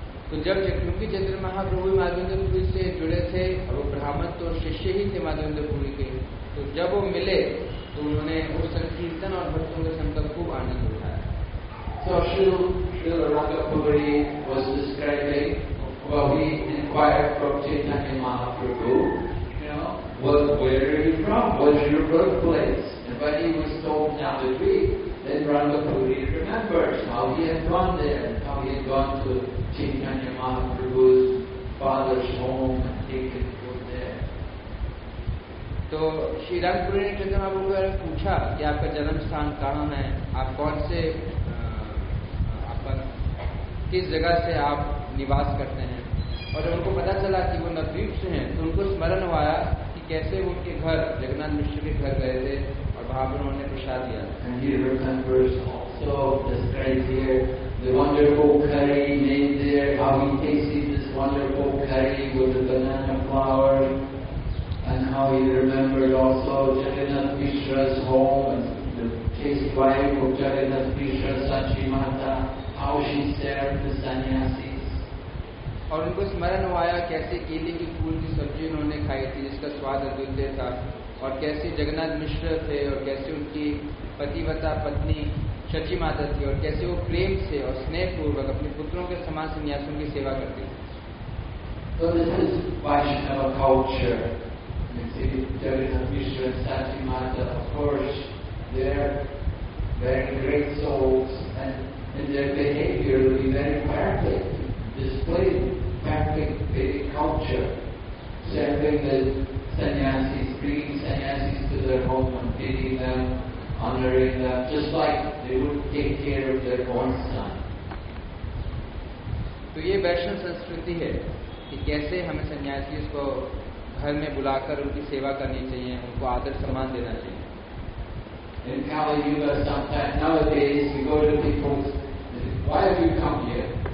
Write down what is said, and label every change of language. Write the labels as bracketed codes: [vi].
[hi] तो जब क्योंकि चंद्र महाप्रभु माधवेंद्र पुरी से जुड़े थे और वो ब्राह्मण तो शिष्य ही थे माधवेंद्र पुरी के, तो जब वो मिले तो उन्होंने उस संकीर्तन और भक्तों के संकल्प खूब आनंद उठाया। [en] So Shri Ranga Puri was describing what he inquired from Chaitanya Mahaprabhu, you know, where are you from? What's your birthplace? And when he was told now the dream, then Ranga Puri remembered how he had gone there, how he had gone to Chaitanya Mahaprabhu's father's home and taken food there. [hi] तो श्री रंग पुरी ने चंद्र महाप्रभु के बारे में पूछा कि आपका जन्म स्थान कहाँ है, आप कौन से, आपका किस जगह से आप निवास करते हैं, और जब उनको पता चला कि वो नवद्वीप से हैं तो उनको स्मरण आया कि कैसे वो उनके घर जगन्नाथ मिश्र के घर गए थे और वहां पर उन्होंने प्रसाद लिया। [en] And he remembers also describes here the wonderful curry made there, how he tasted this wonderful curry with the banana flour. And how he remembered also Jagannath Mishra's home and the chaste wife of Jagannath Mishra, Sachi Mata, how she served the sannyasis. [hi] और उनको स्मरण आया कैसे केले के फूल की सब्जी उन्होंने खाई थी जिसका स्वाद अद्वितीय था, और कैसे जगन्नाथ मिश्र थे और कैसे उनकी पतिव्रता पत्नी शची माता थी और कैसे वो प्रेम से और स्नेह पूर्वक अपने पुत्रों के समान सन्यासियों की सेवा करती थी। [en] So this is Vaishnava culture. You see, Jagannath Mishra and Sachi Mata, of course, they are very great souls and in their behavior will be very perfect, displayed perfect Vedic culture, serving the sannyasis, bringing sannyasis to their home and feeding them, honoring them, just like they would take care of their own son. [hi] तो ये वैष्णव संस्कृति है कि कैसे हमें सन्यासी को घर में बुलाकर उनकी सेवा करनी चाहिए, उनको आदर सम्मान देना चाहिए। [en] In Kali Yuga, sometimes nowadays you go to people, why have you come here?